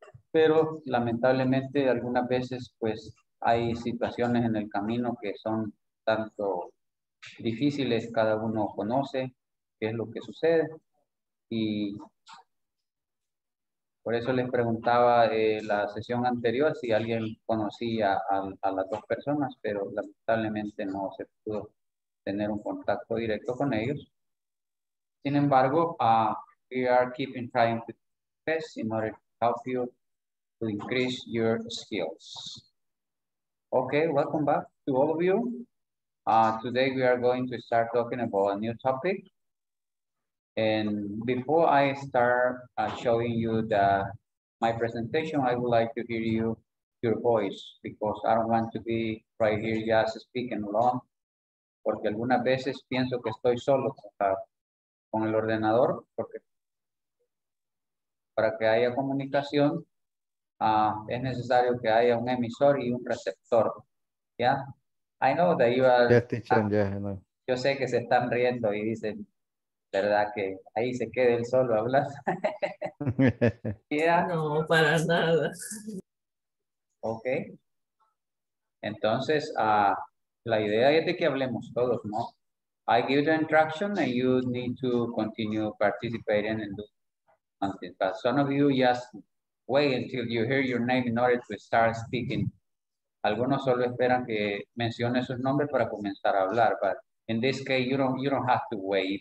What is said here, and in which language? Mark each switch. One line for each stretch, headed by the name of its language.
Spanish: Pero lamentablemente algunas veces pues hay situaciones en el camino que son tanto difíciles, cada uno conoce qué es lo que sucede. Y por eso les preguntaba la sesión anterior si alguien conocía a las dos personas, pero lamentablemente no se pudo tener un contacto directo con ellos.
English: Sin embargo, we are keeping trying to test in order to help you to increase your skills. Okay, welcome back to all of you. Today we are going to start talking about a new topic. And before I start showing you the my presentation, I would like to hear you your voice, because I don't want to be right here just speaking alone.
Spanish: Porque algunas veces pienso que estoy solo con el ordenador, porque para que haya comunicación es necesario que haya un emisor y un receptor.
English: Yeah, I know that you are. Yes, teacher. Yeah, I know.
Spanish: Yo sé que se están riendo y dicen, ¿verdad? Que ahí se quede él solo hablando. Yeah. No, para nada.
English: Ok.
Spanish: Entonces, la idea es de que hablemos todos, ¿no?
English: I give the introduction and you need to continue participating and do something. But some of you just wait until you hear your name in order to start speaking.
Spanish: Algunos solo esperan que mencione sus nombres para comenzar a hablar, but in this case, you don't have to wait.